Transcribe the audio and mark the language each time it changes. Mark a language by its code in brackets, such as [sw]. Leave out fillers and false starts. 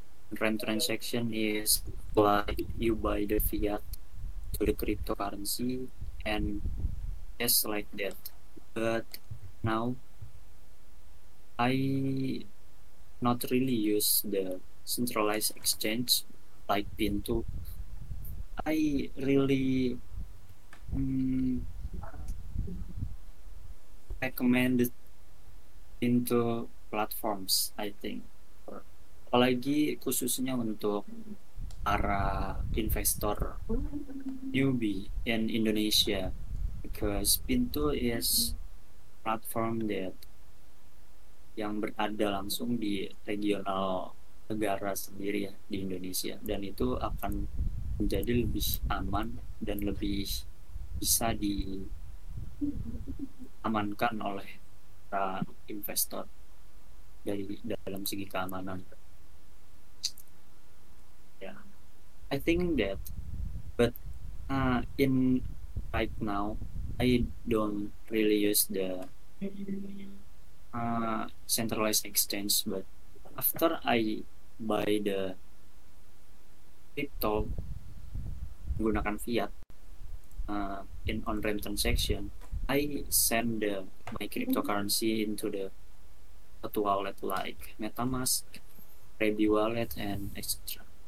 [en] On-ramp transaction is like you buy the fiat to the cryptocurrency and just like that. But now I not really use the centralized exchange like Pinto. I really recommend Pinto platforms, I think, [id] apalagi khususnya untuk para investor newbie [en] in Indonesia, because Pinto is platform that [id] yang berada langsung di regional negara sendiri ya, di Indonesia, dan itu akan menjadi lebih aman dan lebih bisa diamankan oleh para investor dari dalam segi keamanan. [en] Yeah, I think that, but in right now I don't really use the centralized exchange, but after I buy the crypto [id] menggunakan [en] fiat in on-ramp transaction, I send my cryptocurrency into the satu wallet like MetaMask, Ready Wallet, and etc.